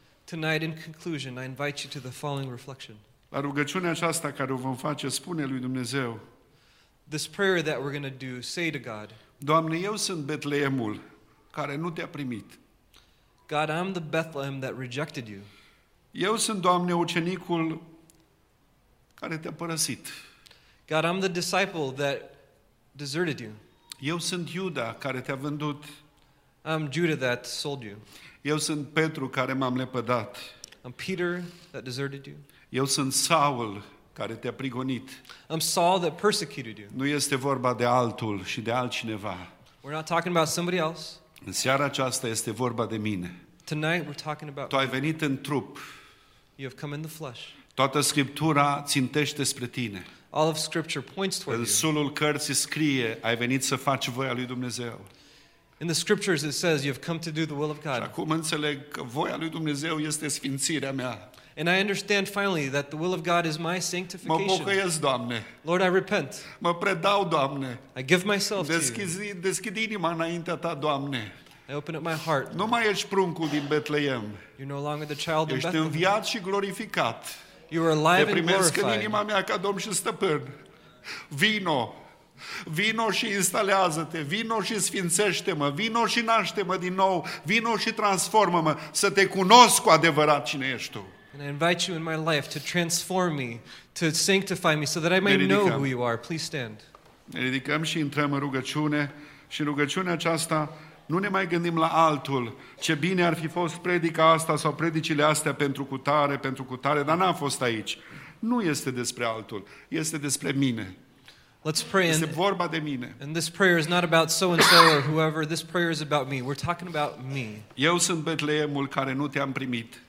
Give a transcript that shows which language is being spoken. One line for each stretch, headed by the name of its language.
English: Tonight in conclusion I invite you to the following reflection.
Romanian: La rugăciunea aceasta care o vom face spune lui Dumnezeu.
English: This prayer that we're going to do say to God.
Romanian: Doamne, eu sunt Betleemul care nu te-a primit.
English: God, I'm the Bethlehem that rejected you.
Romanian: Eu sunt, Doamne, ucenicul care te-a părăsit.
English: God, I'm the disciple that deserted you.
Romanian: Eu sunt Iuda care te-a vândut.
English: I'm Judah that sold you.
Romanian: Eu sunt Petru care m-am lepădat.
English: I'm Peter that deserted you.
Romanian: Eu sunt Saul care te-a prigonit.
English: I'm Saul that persecuted you.
Romanian: Nu este vorba de altul și de altcineva.
English: We're not talking about somebody else.
Romanian: În seara aceasta este vorba de mine.
English: Tonight we're talking about
Romanian: Tu ai venit în trup.
English: You have come in the flesh.
Romanian: Toată Scriptura țintește spre tine.
English: All of Scripture points toward you.
Romanian: În sulul cărții scrie, ai venit să faci voia lui Dumnezeu.
English: In the scriptures it says you have come to do the will of God.
Romanian: Și acum înțeleg că voia lui Dumnezeu este sfințirea mea.
English: And I understand finally that the will of God is my sanctification.
Romanian: Mă pocăiesc, Doamne.
English: Lord, I repent.
Romanian: Mă predau, Doamne.
English: I give myself
Romanian: deschizi,
English: to you.
Romanian: Deschid inima înaintea ta, Doamne.
English: I open up my heart.
Romanian: Nu mai ești pruncul din Betleem.
English: You're no longer the child of Bethlehem.
Romanian: Ești înviat și glorificat.
English: You are alive and glorified.
Romanian: Te primesc în inima mea ca Domn și Stăpân. Vino. Vino și instalează-te, vino și sfințește-mă, vino și naște-mă din nou, vino și transformă-mă, să te cunosc cu adevărat cine ești tu.
English: And I invite you in my life to transform me, to sanctify me, so that I may know who you are. Please stand.
Romanian: Ne ridicăm și intrăm în rugăciune și în rugăciunea aceasta nu ne mai gândim la altul. Ce bine ar fi fost predica asta sau predicile astea pentru cutare, dar n-a fost aici. Nu este despre altul, este despre mine.
English: Let's pray.
Romanian: Este vorba de mine.
English: And this prayer is not about so and so or whoever. This prayer is about me. We're talking about me.
Romanian: Eu sunt Betleemul care nu te-am primit.